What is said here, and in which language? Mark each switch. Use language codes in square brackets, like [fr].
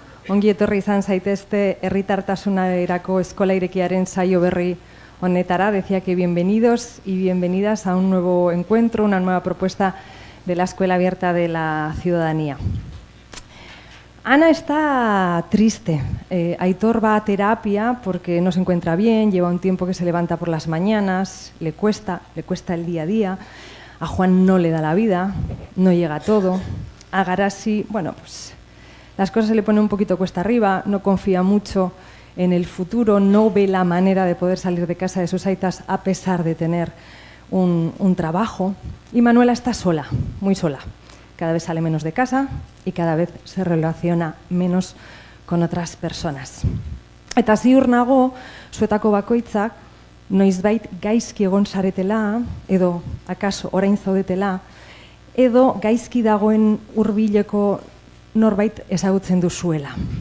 [eu] Ongi etorri izan zaitezte herritartasunerako eskola irekiaren saio berri honetara. [es] Decía que bienvenidos y bienvenidas a un nuevo encuentro, una nueva propuesta de la Escuela Abierta de la Ciudadanía. Ana está triste. Aitor va a terapia porque no se encuentra bien, lleva un tiempo que se levanta por las mañanas, le cuesta el día a día. A Juan no le da la vida, no llega a todo. A Garasi, bueno, pues las cosas se le ponen un poquito cuesta arriba, no confía mucho en el futuro, no ve la manera de poder salir de casa de sus aitas a pesar de tener un trabajo. Y Manuela está sola, muy sola. Cada vez sale menos de casa y cada vez se relaciona menos con otras personas. [eu] Eta ziur nago, zuetako bakoitzak, noizbait gaizki egon zaretela, edo akaso orain zaudetela, edo gaizki dagoen hurbileko norbait ezagutzen duzuela.